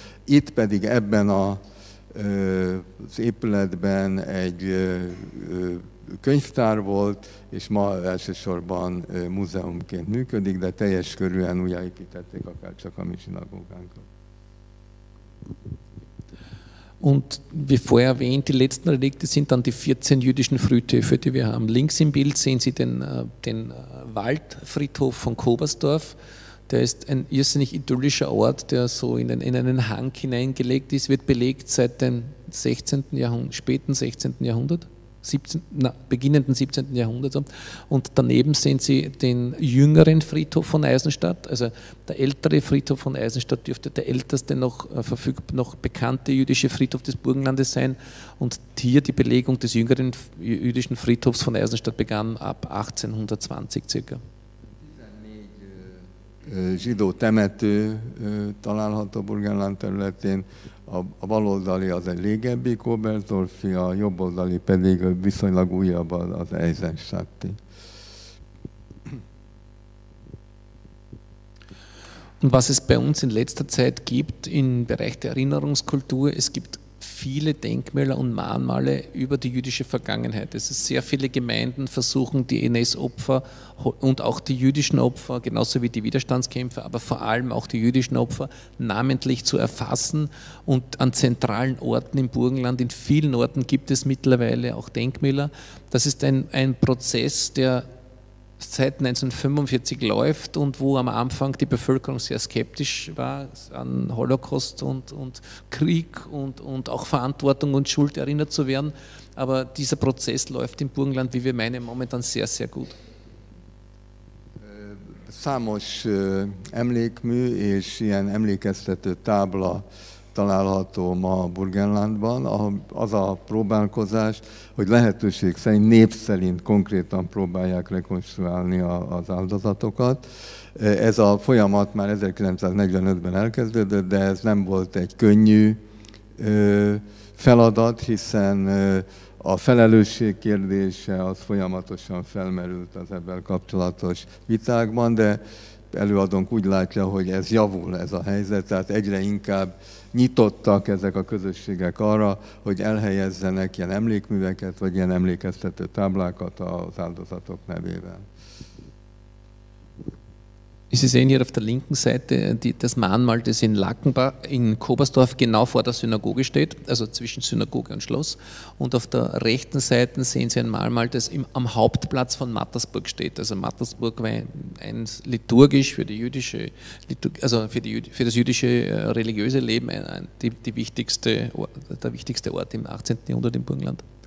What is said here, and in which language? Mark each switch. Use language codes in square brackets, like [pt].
[hu] Itt pedig ebben az épületben egy könyvtár volt, és ma elsősorban múzeumként működik, de teljes körűen újjáépítették akár csak a mi zsinagógánkat. [de] Und wie vorher erwähnt, die letzten Relikte sind dann die 14 jüdischen Friedhöfe, die wir haben. Links im Bild sehen Sie den Waldfriedhof von Kobersdorf. Der ist ein irrsinnig idyllischer Ort, der so in einen Hang hineingelegt ist, wird belegt seit dem 16. Jahrhundert, späten 16. Jahrhundert, beginnenden 17. Jahrhundert. Und daneben sehen Sie den jüngeren Friedhof von Eisenstadt, also der ältere Friedhof von Eisenstadt dürfte der älteste noch bekannte jüdische Friedhof des Burgenlandes sein. Und hier die Belegung des jüngeren jüdischen Friedhofs von Eisenstadt begann ab 1820 circa. [hu] Zsidó temető található Burgenland területén, a baloldali az egy régebbi Kobersdorfi, a jobboldali pedig viszonylag újabb az Eisenstadti. [de] Und was es bei uns in letzter Zeit gibt im Bereich der Erinnerungskultur, es gibt viele Denkmäler und Mahnmale über die jüdische Vergangenheit. Es sind sehr viele Gemeinden versuchen, die NS-Opfer und auch die jüdischen Opfer, genauso wie die Widerstandskämpfer, aber vor allem auch die jüdischen Opfer, namentlich zu erfassen. Und an zentralen Orten im Burgenland, in vielen Orten gibt es mittlerweile auch Denkmäler. Das ist ein Prozess, der seit 1945 läuft und wo am Anfang die Bevölkerung sehr skeptisch war an Holocaust und Krieg und auch Verantwortung und Schuld erinnert zu werden. Aber dieser Prozess läuft im Burgenland, wie wir meinen, momentan sehr, sehr gut. [hu] Számos Emlékmű és ilyen emlékeztető tábla található ma Burgenlandban. Az a próbálkozás, hogy lehetőség szerint név szerint konkrétan próbálják rekonstruálni az áldozatokat. Ez a folyamat már 1945-ben elkezdődött, de ez nem volt egy könnyű feladat, hiszen a felelősség kérdése az folyamatosan felmerült az ebben kapcsolatos vitákban, de előadónk úgy látja, hogy ez javul ez a helyzet, tehát egyre inkább nyitottak ezek a közösségek arra, hogy elhelyezzenek ilyen emlékműveket, vagy ilyen emlékeztető táblákat az áldozatok nevében. [de] Sie sehen hier auf der linken Seite das Mahnmal, das in Lackenbach, in Kobersdorf, genau vor der Synagoge steht, also zwischen Synagoge und Schloss. Und auf der rechten Seite sehen Sie ein Mahnmal, das am Hauptplatz von Mattersburg steht. Also Mattersburg war ein liturgisch für die jüdische, also für das jüdische religiöse Leben der wichtigste Ort im 18. Jahrhundert im Burgenland.